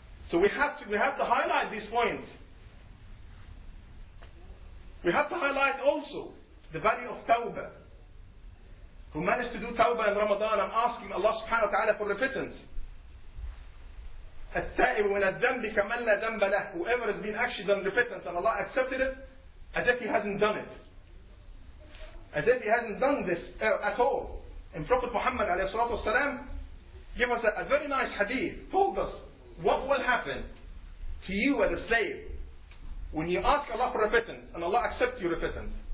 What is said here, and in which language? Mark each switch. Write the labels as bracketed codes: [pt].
[en] So we have to highlight this point. We have to highlight also the value of tawbah. Who managed to do tawbah in Ramadan, I'm asking Allah subhanahu wa ta'ala for repentance. [ar] التائب من الذنب كمن لا ذنب له. [en] Whoever has been actually done repentant and Allah accepted it, as if he hasn't done it. As if he hasn't done this at all. And Prophet Muhammad alayhi salatu wasalam, give us a very nice hadith, told us what will happen to you as a slave when you ask Allah for repentance and Allah accepts your repentance.